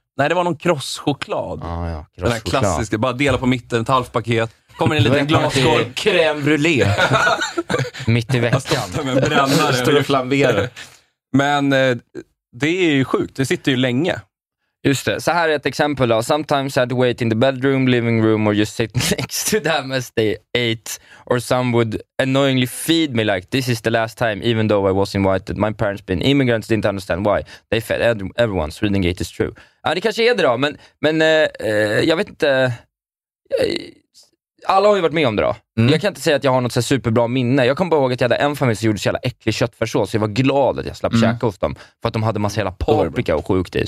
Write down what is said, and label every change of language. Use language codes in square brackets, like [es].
[sv] Nej, det var någon krosschoklad. Ah, ja, krosschoklad. Den där klassiska, bara dela på mitten, ett halvt paket. Kommer en liten glaskål. Crème brûlée. Mitt i veckan. Jag stod med en brännare. Stod och flamberade. Men det är ju sjukt, det sitter ju länge. Just det, så här är ett exempel då. [en] Sometimes I had to wait in the bedroom, living room or just sit next to them as they ate. Or some would annoyingly feed me like, this is the last time even though I was invited. My parents been immigrants, didn't understand why. They fed everyone, Swedengate is true. [sv] Ja, det kanske är det då, men jag vet inte. Alla har ju varit med om det då. Mm. Jag kan inte säga att jag har något så superbra minne. Jag kommer bara ihåg att jag hade en familj som gjorde så jävla äcklig köttfärssås. Så jag var glad att jag slapp käka hos dem. För att de hade massa jävla paprika och sjukt i.